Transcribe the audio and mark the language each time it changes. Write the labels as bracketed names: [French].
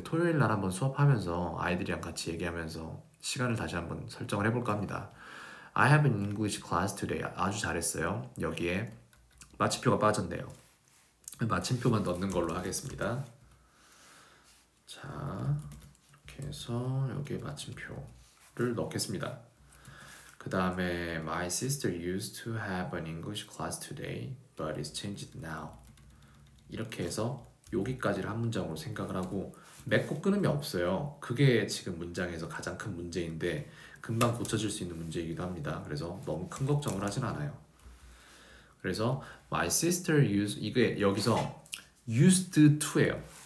[Korean] 근데 토요일 날 한번 수업하면서 아이들이랑 같이 얘기하면서 시간을 다시 한번 설정을 해볼까 합니다. [English] I have an English class today. [Korean] 아주 잘했어요. 여기에 마침표가 빠졌네요. 마침표만 넣는 걸로 하겠습니다. 자, 이렇게 해서 여기에 마침표를 넣겠습니다. 그 다음에 [English] My sister used to have an English class today, but it's changed now. [Korean] 이렇게 해서 여기까지를 한 문장으로 생각을 하고 맺고 끊음이 없어요. 그게 지금 문장에서 가장 큰 문제인데 금방 고쳐질 수 있는 문제이기도 합니다. 그래서 너무 큰 걱정을 하진 않아요. 그래서 [English] My sister used, [Korean] 이게 여기서 used to예요.